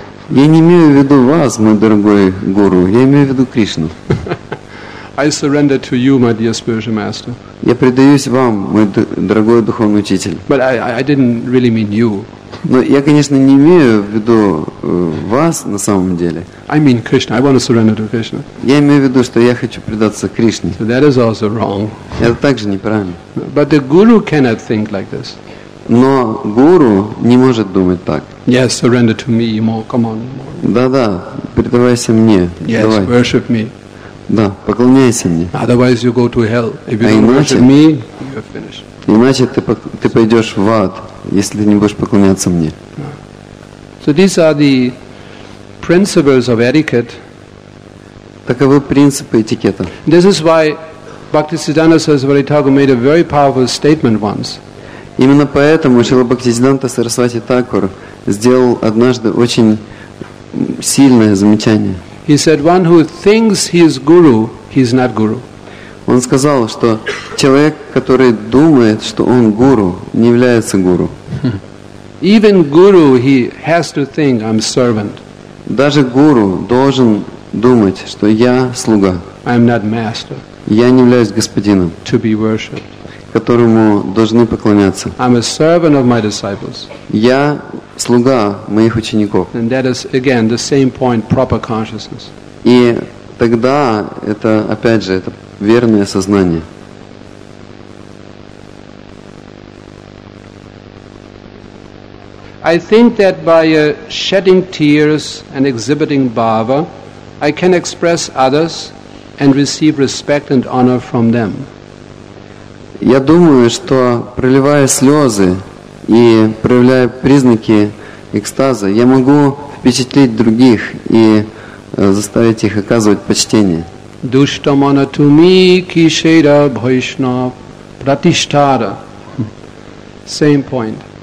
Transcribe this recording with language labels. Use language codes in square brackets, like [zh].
[ru] Я не имею в виду вас, мой дорогой гуру. Я имею в виду Кришну. [en] I surrender to you, my dear spiritual master. [ru] Я предаюсь вам, мой дорогой духовный учитель. [en] But I didn't really mean you. [ru] Но я, конечно, не имею в виду вас на самом деле. [en] I mean Krishna. I want to surrender to Krishna. [ru] Я имею в виду, что я хочу предаться Кришне. [en] So that is also wrong. [ru] Это также неправильно. [en] But the guru cannot think like this. [ru] Но гуру не может думать так. [en] Yes, surrender to me more. Come on. [ru] Да, предавайся мне. [en] Yes, [ru] давай. [en] Worship me. [ru] Да, поклоняйся мне. [en] Otherwise you go to hell. If you don't worship me, you're finished. [ru] Иначе ты пойдешь в ад, если ты не будешь поклоняться мне. [en] So these are the principles of etiquette. [ru] Таковы принципы этикета. [en] This is why Bhaktisiddhanta Sarasvati made a very powerful statement once. [ru] Именно поэтому Шрила Бхактисиддханта Сарасвати Такур сделал однажды очень сильное замечание. [en] He said, "One who thinks he is guru, he is not guru." [ru] Он сказал, что человек, который думает, что он гуру, не является гуру. [en] Even guru, he has to think, "I'm servant." [ru] Даже гуру должен думать, что я слуга. [en] I'm not master. [ru] Я не являюсь господином. [en] To be worshipped. [ru] Которому должны поклоняться. [en] I'm a servant of my disciples. [ru] Я слуга моих учеников. [en] And that is again the same point, proper consciousness. [ru] И тогда это опять же это верное сознание. [en] I think that by shedding tears and exhibiting bhava, I can express others and receive respect and honor from them. [ru] Я думаю, что проливая слезы и проявляя признаки экстаза, я могу впечатлить других и заставить их оказывать почтение. [bn] Duṣṭamana tumi kiṣeḍa bhaiṣṇa pratiṣṭhāra. [en] Same point.